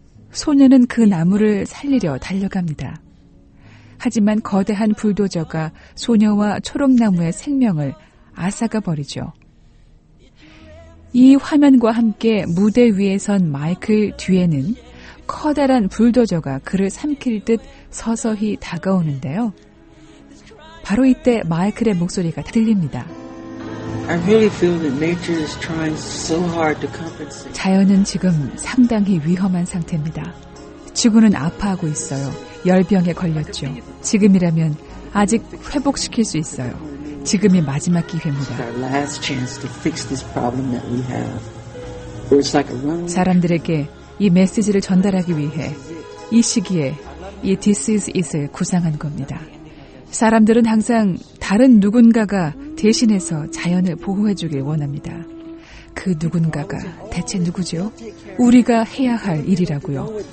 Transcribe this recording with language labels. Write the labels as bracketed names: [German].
[Korean] 소녀는 그 나무를 살리려 달려갑니다. 하지만 거대한 불도저가 소녀와 초록나무의 생명을 앗아가버리죠. 이 화면과 함께 무대 위에선 마이클 뒤에는 커다란 불도저가 그를 삼킬 듯 서서히 다가오는데요. 바로 이때 마이클의 목소리가 들립니다. [English] I really feel that nature is trying so hard to compensate. [Korean] 자연은 지금 상당히 위험한 상태입니다. 지구는 아파하고 있어요. 열병에 걸렸죠. 지금이라면 아직 회복시킬 수 있어요. 지금이 마지막 기회입니다. [English] Our last chance to fix this problem that we have. It's like a run. [Korean] 사람들에게 이 메시지를 전달하기 위해 이 시기에 이 This is it을 구상한 겁니다. 사람들은 항상 다른 누군가가 대신해서 자연을 보호해주길 원합니다. 그 누군가가 대체 누구죠? 우리가 해야 할 일이라고요.